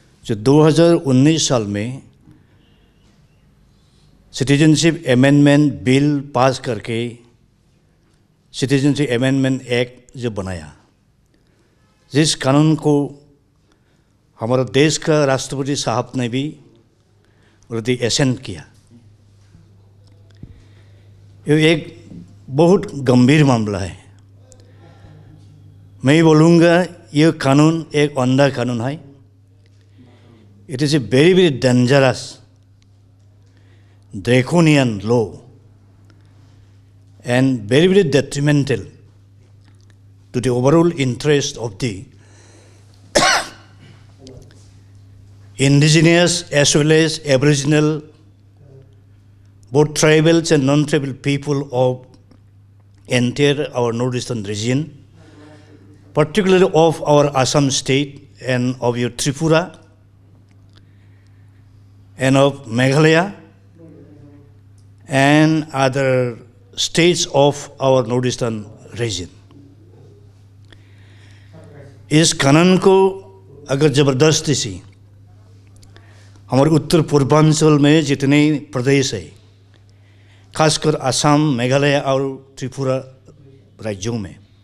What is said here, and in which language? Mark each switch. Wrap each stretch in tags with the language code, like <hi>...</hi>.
<hi>जो 2019 साल में सिटीजनशिप अमेंडमेंट बिल पास करके सिटीजनशिप अमेंडमेंट एक्ट जो बनाया, जिस कानून को हमारे देश का राष्ट्रपति साहब ने भी वृद्धि एसेंट किया, ये एक बहुत गंभीर मामला है। मैं बोलूँगा ये कानून एक अंधा कानून है,</hi> <en>It is a very very dangerous draconian law and very very detrimental to the overall interest of the indigenous as well as aboriginal, both tribals and non-tribal people of entire our northeastern region, particularly of our Assam state and of your Tripura and of Meghalaya and other states of our northeastern region.</en> <hi>इस कानून को अगर ज़बरदस्ती से हमारे उत्तर पूर्वांचल में जितने प्रदेश है, खासकर असम मेघालय और त्रिपुरा राज्यों में,</hi>